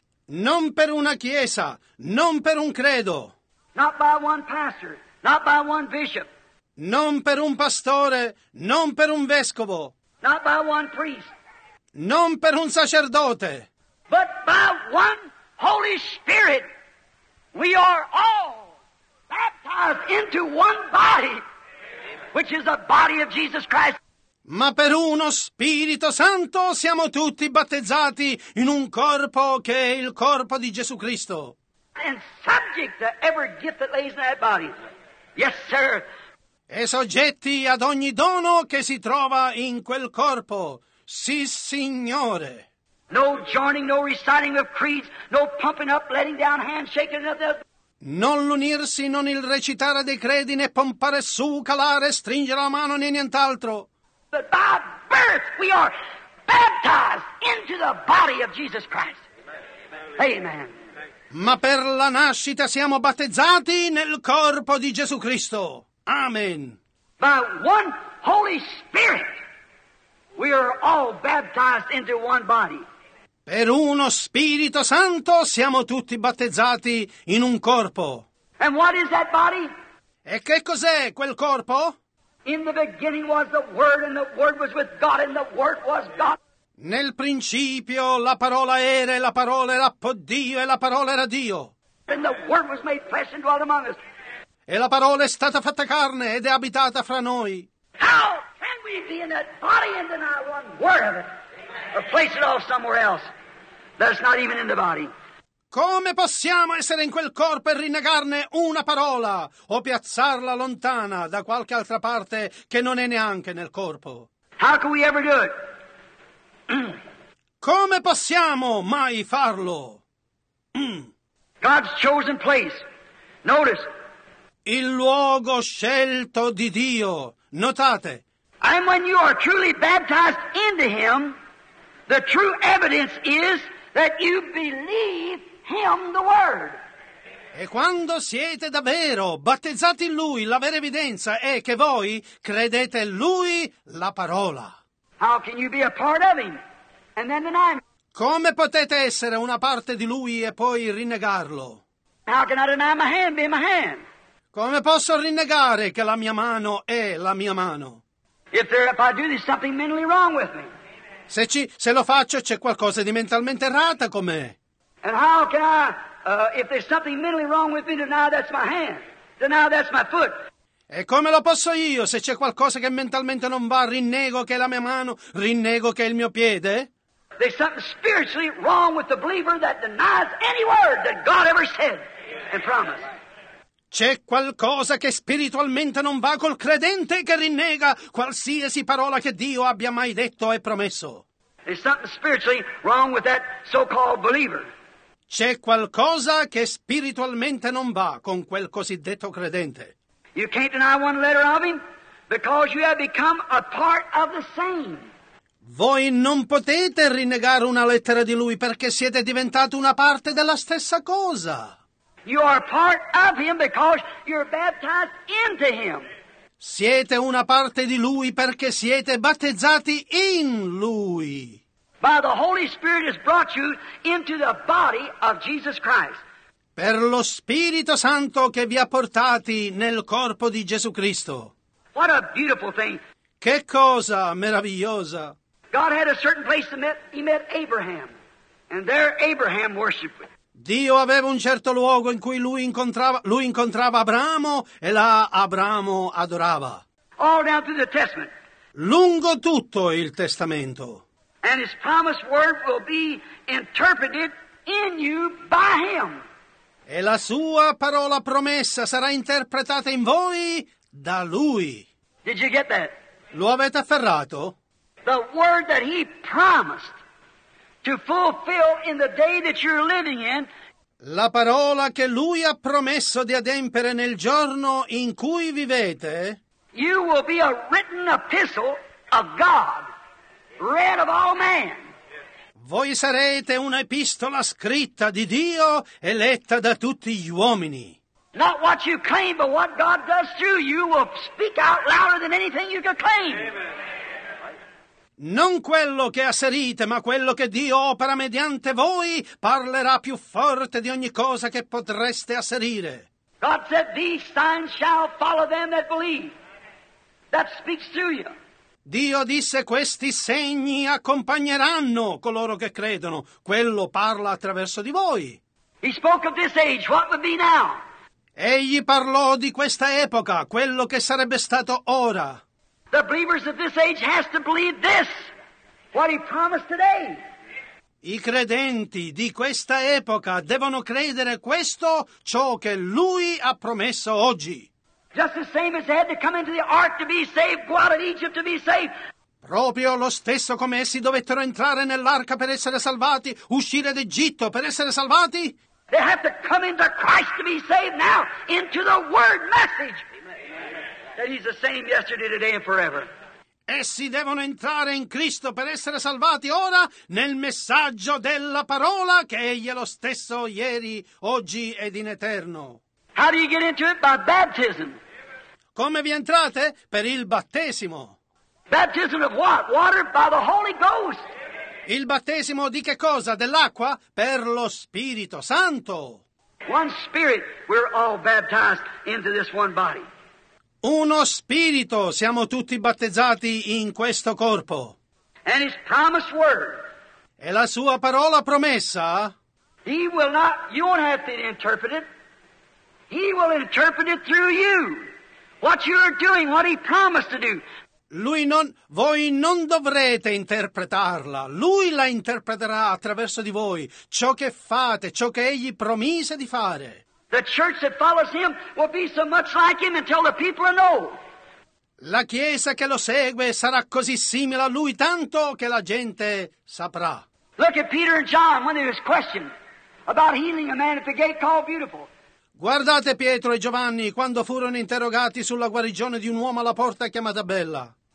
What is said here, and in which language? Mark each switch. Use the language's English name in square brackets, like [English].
[Italian] Non per una chiesa, non per un credo. [English] Not by one pastor, not by one bishop. [Italian] Non per un pastore, non per un vescovo. [English] Not by one priest. [Italian] Non per un sacerdote. [English] But by one Holy Spirit, we are all baptized into one body, which is the body of Jesus Christ. [Italian] Ma per uno Spirito Santo siamo tutti battezzati in un corpo che è il corpo di Gesù Cristo. [English] And subject to every gift that lays in that body. Yes, sir. [Italian] E soggetti ad ogni dono che si trova in quel corpo. Sì, Signore. [English] No joining, no reciting of creeds, no pumping up, letting down, handshaking of the... [Italian] Non l'unirsi, non il recitare dei credi, né pompare su, calare, stringere la mano, né nient'altro. [English] But by birth we are baptized into the body of Jesus Christ. Amen. [Italian] Ma per la nascita siamo battezzati nel corpo di Gesù Cristo. Amen. [English] By one Holy Spirit we are all baptized into one body. [Italian] Per uno Spirito Santo siamo tutti battezzati in un corpo. [English] And what is that body? [Italian] E che cos'è quel corpo? [English] In the beginning was the Word, and the Word was with God, and the Word was God. [Italian] Nel principio la parola era, e la parola era con Dio, e la parola era Dio. [English] And the Word was made flesh and dwelt among us. [Italian] E la parola è stata fatta carne ed è abitata fra noi. [English] How can we be in that body and deny one word of it? Or place it all somewhere else? That's not even in the body. [Italian] Come possiamo essere in quel corpo e rinnegarne una parola o piazzarla lontana da qualche altra parte che non è neanche nel corpo? [English] How can we ever do it? [Italian] Come possiamo mai farlo? [English] God's chosen place. Notice. [Italian] Il luogo scelto di Dio. Notate. [English] And when you are truly baptized into him, the true evidence is that you believe him the word. [Italian] E quando siete davvero battezzati in lui, la vera evidenza è che voi credete lui la parola. [English] How can you be a part of him and then deny him? [Italian] Come potete essere una parte di lui e poi rinnegarlo? [English] How can I deny my hand being my hand? [Italian] Come posso rinnegare che la mia mano è la mia mano? [English] If I do this, something mentally wrong with me. [Italian] Se lo faccio c'è qualcosa di mentalmente errata con me. [English] And how can I, if there's something mentally wrong with me, deny that's my hand, deny that's my foot? [Italian] E come lo posso io, se c'è qualcosa che mentalmente non va, rinnego che è la mia mano, rinnego che è il mio piede? [English] There's something spiritually wrong with the believer that denies any word that God ever said and promised. [Italian] C'è qualcosa che spiritualmente non va col credente che rinnega qualsiasi parola che Dio abbia mai detto e promesso. [English] There's something spiritually wrong with that so-called believer. [Italian] C'è qualcosa che spiritualmente non va con quel cosiddetto credente. [English] You can't deny one letter of him because you have become a part of the same. [Italian] Voi non potete rinnegare una lettera di lui perché siete diventati una parte della stessa cosa. [English] You are part of him because you're baptized into him. [Italian] Siete una parte di lui perché siete battezzati in lui. [English] By the Holy Spirit has brought you into the body of Jesus Christ. [Italian] Per lo Spirito Santo che vi ha portati nel corpo di Gesù Cristo. [English] What a beautiful thing. [Italian] Che cosa meravigliosa. [English] God had a certain place to meet. He met Abraham. And there Abraham worshipped with. [Italian] Dio aveva un certo luogo in cui lui incontrava Abramo e là Abramo adorava. [English] All down through the Testament. [Italian] Lungo tutto il Testamento. [English] And his promised word will be interpreted in you by him. [Italian] e la sua parola promessa sarà interpretata in voi da lui. [English] Did you get that? [Italian] Lo avete afferrato? [English] The word that he promised to fulfill in the day that you're living in. [Italian] La parola che lui ha promesso di adempere nel giorno in cui vivete. [English] You will be a written epistle of God, read of all men. [Italian] Voi sarete un'epistola scritta di Dio e letta da tutti gli uomini. [English] Not what you claim, but what God does through you will speak out louder than anything you can claim. Amen. [Italian] Non quello che asserite, ma quello che Dio opera mediante voi parlerà più forte di ogni cosa che potreste asserire. [English] God said, "These signs shall follow them that believe." That speaks to you. [Italian] Dio disse, questi segni accompagneranno coloro che credono. Quello parla attraverso di voi. [English] He spoke of this age, what would be now? [Italian] Egli parlò di questa epoca, quello che sarebbe stato ora. [English] The believers of this age has to believe this, what he promised today. [Italian] I credenti di questa epoca devono credere questo, ciò che lui ha promesso oggi. [English] Just the same as they had to come into the ark to be saved, go out of Egypt to be saved. [Italian] Proprio lo stesso come essi dovettero entrare nell'arca per essere salvati, uscire d'Egitto per essere salvati. [English] They have to come into Christ to be saved now, into the word message. That he's the same yesterday, today and forever. [Italian] Essi devono entrare in Cristo per essere salvati ora nel messaggio della parola che egli è lo stesso ieri, oggi ed in eterno. [English] How do you get into it? By baptism. [Italian] Come vi entrate? Per il battesimo. [English] Baptism of what? Water by the Holy Ghost. [Italian] Il battesimo di che cosa? Dell'acqua? Per lo Spirito Santo. [English] One spirit, we're all baptized into this one body. [Italian] Uno spirito, siamo tutti battezzati in questo corpo. [English] And his promised word. [Italian] E la sua parola promessa. [English] He will not, you won't have to interpret it. He will interpret it through you. What you are doing, what he promised to do. [Italian] Lui non, voi non dovrete interpretarla. Lui la interpreterà attraverso di voi. Ciò che fate, ciò che egli promise di fare. [English] The church that follows him will be so much like him until the people know. [Italian] La chiesa che lo segue sarà così simile a lui tanto che la gente saprà. [English] Look at Peter and John when there was question about healing a man at the gate called Beautiful. [Italian] Guardate Pietro e Giovanni quando furono interrogati sulla guarigione di un uomo alla porta chiamata Bella.